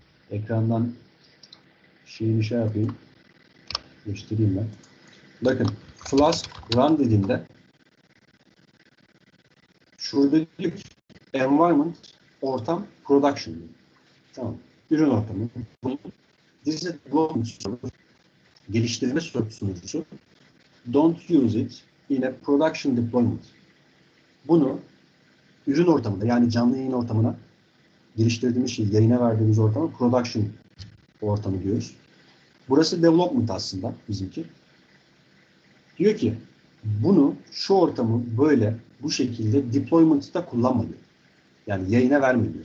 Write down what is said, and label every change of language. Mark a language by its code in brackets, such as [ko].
[tr] Ekrandan şeyini şey yapayım. Göstereyim ben. Bakın Flask run dediğinde şurada diyor ki environment ortam production. Tamam. Ürün ortamı. [en] This is a development server. [tr] Geliştirme sunucusu. [en] Don't use it in a production deployment. [tr] Bunu ürün ortamında yani canlı yayın ortamına geliştirdiğimiz şey, yayına verdiğimiz ortamı production ortamı diyoruz. Burası development aslında bizimki. Diyor ki bunu şu ortamı böyle bu şekilde deployment'ta kullanmıyor. Yani yayına vermiyor.